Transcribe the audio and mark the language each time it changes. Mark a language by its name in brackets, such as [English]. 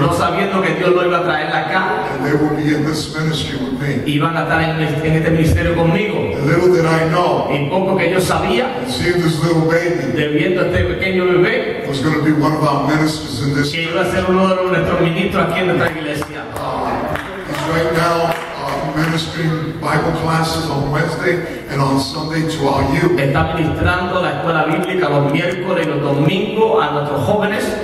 [Spanish] No sabiendo que Dios lo iba a traer acá. [English] And they would be in this ministry with me. [Spanish] Iban a estar en este ministerio conmigo. [English] And little did I know. [Spanish] Y poco que yo sabía. [English] Seeing this little baby. [Spanish] De viendo este pequeño bebé. [English] Was going to be one of our ministers in this. [Spanish] Que iba a ser uno de nuestros ministros aquí en nuestra iglesia. [English] Right now, ministering Bible classes on Wednesday and on Sunday to our youth. [Spanish] Está ministrando la escuela bíblica los miércoles y los domingos a nuestros jóvenes.